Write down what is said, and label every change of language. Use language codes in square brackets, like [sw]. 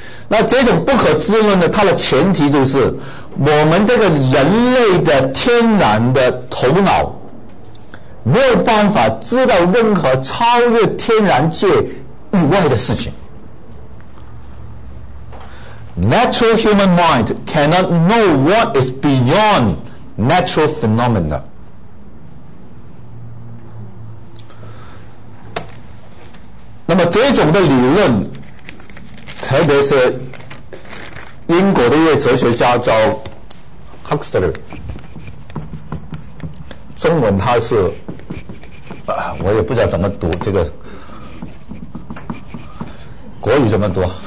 [zh] 那这种不可知论呢，它的前提就是我们这个人类的天然的头脑没有办法知道任何超越天然界以外的事情。 [en] Natural human mind cannot know what is beyond natural phenomena. [zh] Mm-hmm. 那么这种的理论，特别是英国的一位哲学家叫 Huxley， 中文他是我也不知道怎么读这个，国语怎么读？